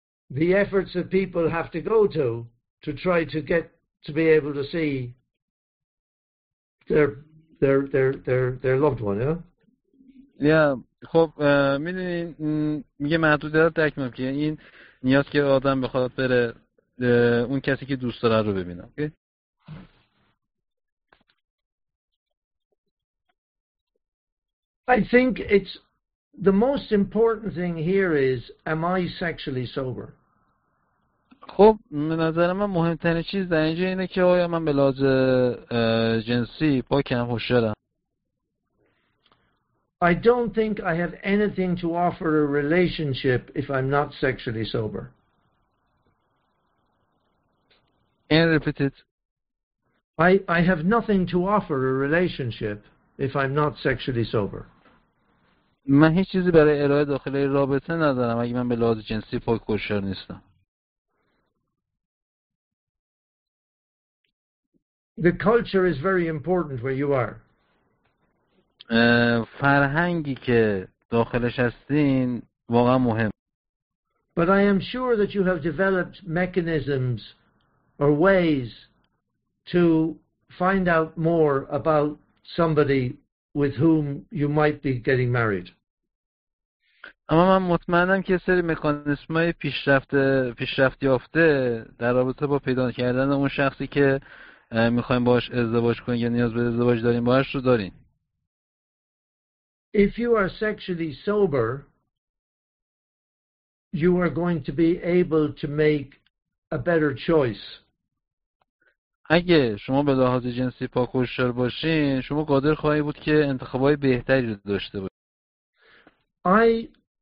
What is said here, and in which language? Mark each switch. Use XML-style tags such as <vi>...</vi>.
<en>The efforts that people have to go to try to get to be able to see their loved one, yeah?</en> <fa>خب میدونین میگه محدودیت درک میکنم که این نیاز که آدم بخواد بره اون کسی که دوست داره رو ببینه اوکی</fa> <en>I think it's the most important thing here is am I sexually sober</en> <fa>خب به نظر من مهمترین چیز در اینجا اینه که آیا من به لحاظ جنسی پاکم هوشیارم</fa> <en>I don't think I have anything to offer a relationship if I'm not sexually sober. And repeat it. I have nothing to offer a relationship if I'm not sexually sober.</en> <fa>من هیچ چیزی برای ارائه داخل رابطه ندارم اگه من به لحاظ جنسی پاک کشور نیستم.</fa> <en>The culture is very important where you are.</en> <fa>فرهنگی که داخلش هستین واقعا مهم.</fa> <en>But I am sure that you have developed mechanisms or ways to find out more about somebody with whom you might be getting married.</en> <fa>اما من مطمئنم که سری مکانیزم‌های پیشرفت‌یافته در رابطه با پیدا کردن اون شخصی که می‌خوایم باهاش ازدواج کنیم یا نیاز به ازدواج داریم باهاش رو دارین.</fa> <en>If you are sexually sober, you are going to be able to make a better choice.</en> <fa>اگه شما به لحاظ جنسی پاک و هوشیار باشین، شما قادر خواهی بود که انتخابای بهتری رو داشته باشین.</fa>